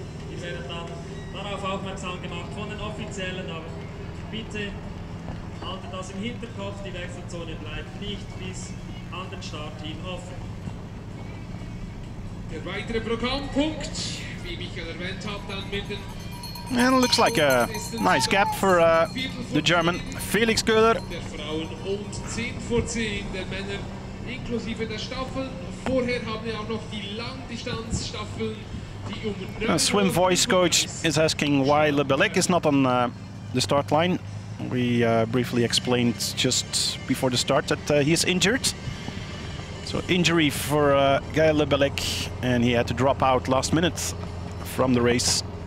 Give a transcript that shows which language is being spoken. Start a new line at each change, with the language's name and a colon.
German: Ihr werdet dann darauf aufmerksam gemacht von den Offiziellen, aber bitte haltet das im Hinterkopf, die Wechselzone bleibt nicht bis an den Start hin offen. Der weitere Programmpunkt, wie Michael erwähnt hat, dann mit den...
English: And it looks like a nice gap for the German Felix Köhler.
German: Der Frauen und 10 vor 10 der Männer inklusive der Staffeln. Vorher haben wir auch noch die Langdistanzstaffeln, die um 9.
English: A swim voice coach is asking why Lebelec is not on the start line. We briefly explained just before the start that he is injured. So injury for Gael Lebelec, and he had to drop out last minute from the race.